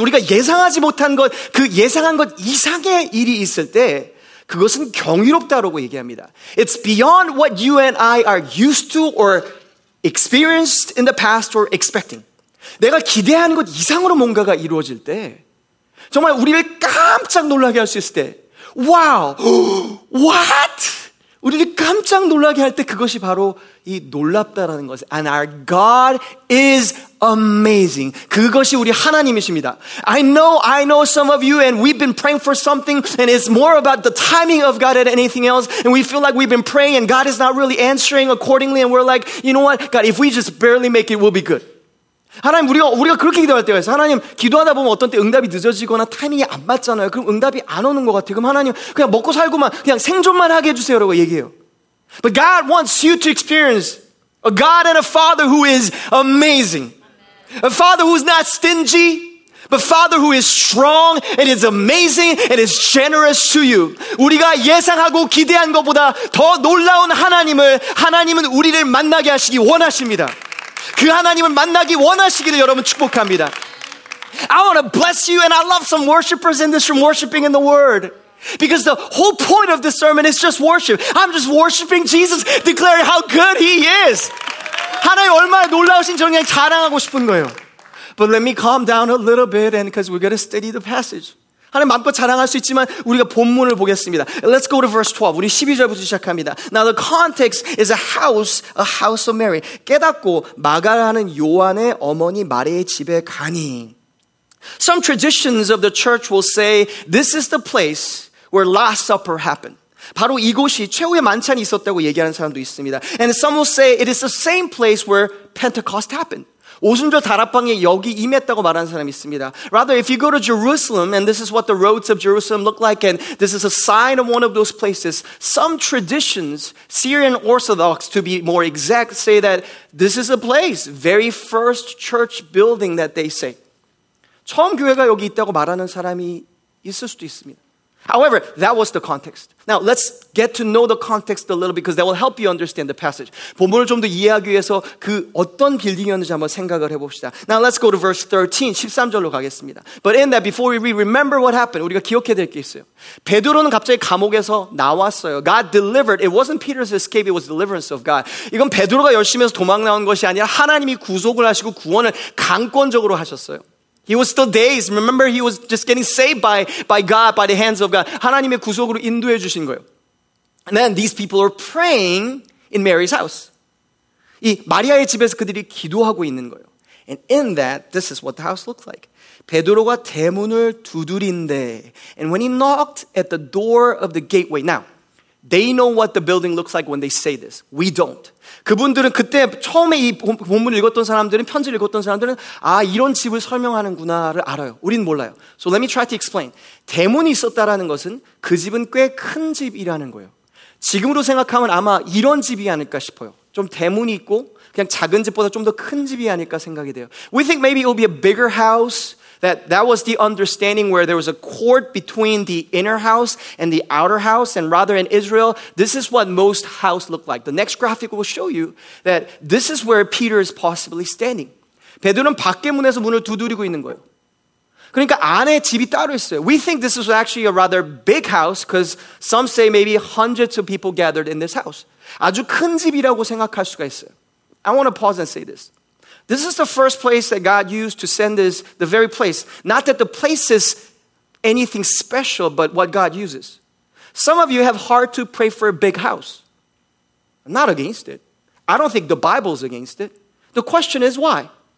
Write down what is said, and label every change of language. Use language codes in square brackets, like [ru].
[ko] 우리가 예상하지 못한 것, 그 예상한 것 이상의 일이 있을 때, 그것은 경이롭다라고 얘기합니다. [en] It's beyond what you and I are used to or experienced in the past or expecting. [ko] 내가 기대하는 것 이상으로 뭔가가 이루어질 때, 정말 우리를 깜짝 놀라게 할 수 있을 때, [en] Wow! What? [ko] 우리를 깜짝 놀라게 할 때 그것이 바로 이 놀랍다라는 것. [en] And our God is amazing. [ko] 그것이 우리 하나님이십니다. [en] I know some of you and we've been praying for something and it's more about the timing of God than anything else. And we feel like we've been praying and God is not really answering accordingly. And we're like, you know what? God, if we just barely make it, we'll be good. [ko] 하나님, 우리가 그렇게 기도할 때가 있어요. 하나님, 기도하다 보면 어떤 때 응답이 늦어지거나 타이밍이 안 맞잖아요. 그럼 응답이 안 오는 것 같아요. 그럼 하나님, 그냥 먹고 살고만, 그냥 생존만 하게 해주세요. 라고 얘기해요. [en] But God wants you to experience a God and a Father who is amazing. A Father who is not stingy, but Father who is strong and is amazing and is generous to you. [ko] 우리가 예상하고 기대한 것보다 더 놀라운 하나님을, 하나님은 우리를 만나게 하시기 원하십니다. 그 하나님을 만나기 원하시기를 여러분 축복합니다. [en] I want to bless you and I love some worshipers in this room worshiping in the word. Because the whole point of this sermon is just worship. I'm just worshiping Jesus, declaring how good he is. [ko] 하나님 얼마나 놀라우신지 그냥 자랑하고 싶은 거예요. [en] But let me calm down a little bit and because we're going to study the passage. [ko] 하나님 마음껏 자랑할 수 있지만 우리가 본문을 보겠습니다. [en] Let's go to verse 12. [ko] 우리 12절부터 시작합니다. [en] Now the context is a house of Mary. [ko] 깨닫고 마가라는 요한의 어머니 마리의 집에 가니. [en] Some traditions of the church will say this is the place where Last Supper happened. [ko] 바로 이곳이 최후의 만찬이 있었다고 얘기하는 사람도 있습니다. [en] And some will say it is the same place where Pentecost happened. [ko] 오순절 다락방에 여기 임했다고 말하는 사람이 있습니다. [en] Rather, if you go to Jerusalem, and this is what the roads of Jerusalem look like, and this is a sign of one of those places, some traditions, Syrian Orthodox to be more exact, say that this is a place, very first church building that they say. [ko] 처음 교회가 여기 있다고 말하는 사람이 있을 수도 있습니다. [en] However, that was the context. Now, let's get to know the context a little because that will help you understand the passage. [ko] 본문을 좀 더 이해하기 위해서 그 어떤 빌딩이었는지 한번 생각을 해봅시다. [en] Now, let's go to verse 13, [ko] 13절로 가겠습니다. [en] But in that, before we remember what happened, [ko] 우리가 기억해야 될 게 있어요. 베드로는 갑자기 감옥에서 나왔어요. [en] God delivered. It wasn't Peter's escape, it was deliverance of God. [ko] 이건 베드로가 열심히 해서 도망 나온 것이 아니라 하나님이 구속을 하시고 구원을 강권적으로 하셨어요. [en] He was still dazed. Remember, he was just getting saved by God, by the hands of God. [ko] 하나님의 구속으로 인도해 주신 거예요. [en] And then these people are praying in Mary's house. [ko] 이 마리아의 집에서 그들이 기도하고 있는 거예요. [en] And in that, this is what the house looked like. [ko] 베드로가 대문을 두드린대. [en] And when he knocked at the door of the gateway. Now, they know what the building looks like when they say this. We don't. [ko] 그분들은 그때 처음에 이 본문을 읽었던 사람들은 편지를 읽었던 사람들은 아 이런 집을 설명하는구나를 알아요. 우린 몰라요. [en] So let me try to explain. [ko] 대문이 있었다라는 것은 그 집은 꽤 큰 집이라는 거예요. 지금으로 생각하면 아마 이런 집이 아닐까 싶어요. 좀 대문이 있고 그냥 작은 집보다 좀 더 큰 집이 아닐까 생각이 돼요. [en] We think maybe it will be a bigger house. That was the understanding where there was a court between the inner house and the outer house. And rather in Israel, this is what most house looked like. The next graphic will show you that this is where Peter is possibly standing. [ko] 베드로는 밖에 문에서 문을 두드리고 있는 거예요. 그러니까 안에 집이 따로 있어요. [en] We think this is actually a rather big house because some say maybe hundreds of people gathered in this house. [ko] 아주 큰 집이라고 생각할 수가 있어요. [en] I want to pause and say this. This is the first place that God used to send us, the very place. Not that the place is anything special, but what God uses. Some of you have hard to pray for a big house. I'm not against it. I don't think the Bible's against it. The question is why?